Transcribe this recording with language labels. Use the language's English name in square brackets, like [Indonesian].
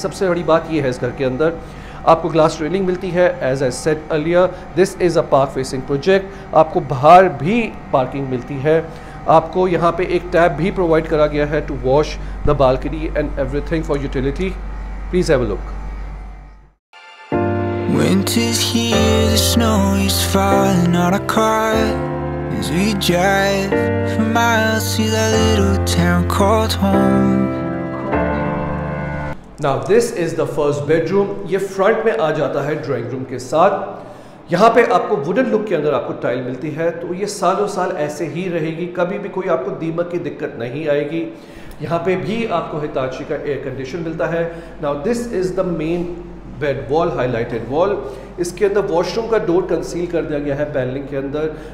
[Hindi] सबसे बड़ी बात ये है इस घर के अंदर, आपको ग्लास रेलिंग मिलती है, as I said earlier this is a park facing project, आपको बाहर भी पार्किंग मिलती है, आपको यहाँ पे एक टैब भी प्रोवाइड करा गया है to wash the balcony and everything for utility. [English] Please have a look. Winter's here, the snow is falling on our car as we drive for miles to that little town called home. Now this is the first bedroom. [Hindi] ये front में आ जाता है drawing room के साथ। यहाँ पे आपको wooden look के अंदर आपको टाइल मिलती है, तो ये सालों साल ऐसे ही रहेगी, कभी भी कोई आपको दीमक की दिक्कत नहीं आएगी। यहाँ पे भी आपको हिताची का एयर कंडीशन मिलता है। Now this is the main bed wall, highlighted wall, इसके अंदर वॉशरूम का डोर कंसील कर दिया गया है पैनलिंग के अंदर।